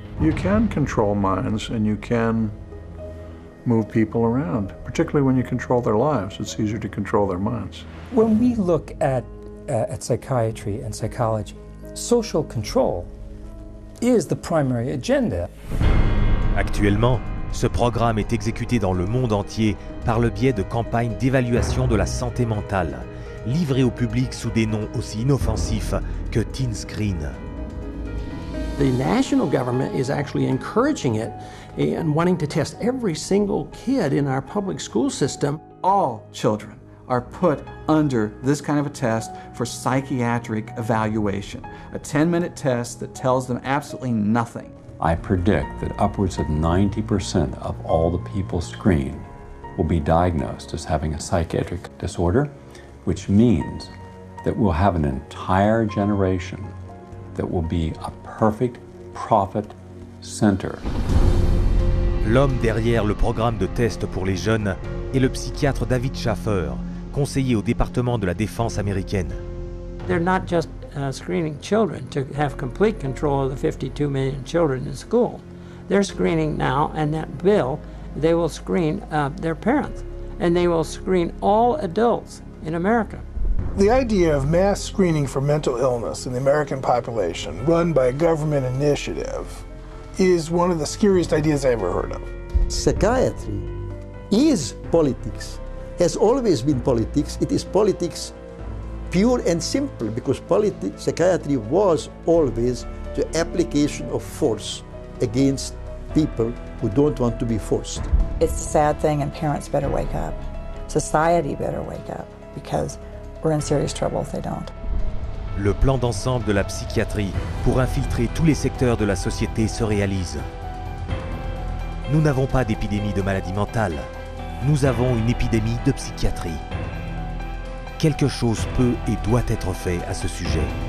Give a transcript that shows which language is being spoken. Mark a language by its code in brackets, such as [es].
[en] You can control minds and you can move people around, particularly when you control their lives. It's easier to control their minds. When we look at psychiatry and psychology, social control is the primary agenda. [fr] Actuellement, ce programme est exécuté dans le monde entier par le biais de campagnes d'évaluation de la santé mentale, livrées au public sous des noms aussi inoffensifs que Teen Screen. [en] The national government is actually encouraging it and wanting to test every single kid in our public school system. All children are put under this kind of a test for psychiatric evaluation, a 10-minute test that tells them absolutely nothing. I predict that upwards of 90% of all the people screened will be diagnosed as having a psychiatric disorder, which means that we'll have an entire generation that will be a perfect profit center. [fr] L'homme derrière le programme de tests pour les jeunes est le psychiatre David Schaffer, conseiller au département de la défense américaine. [en] They're not just screening children to have complete control of the 52 million children in school. They're screening now, and that bill, they will screen their parents, and they will screen all adults in America. The idea of mass screening for mental illness in the American population, run by a government initiative, is one of the scariest ideas I ever heard of. Psychiatry is politics, has always been politics. It is politics pure and simple, because psychiatry was always the application of force against people who don't want to be forced. It's a sad thing, and parents better wake up. Society better wake up, because we're in serious trouble if they don't. [fr] Le plan d'ensemble de la psychiatrie pour infiltrer tous les secteurs de la société se réalise. Nous n'avons pas d'épidémie de maladie mentale. Nous avons une épidémie de psychiatrie. Quelque chose peut et doit être fait à ce sujet.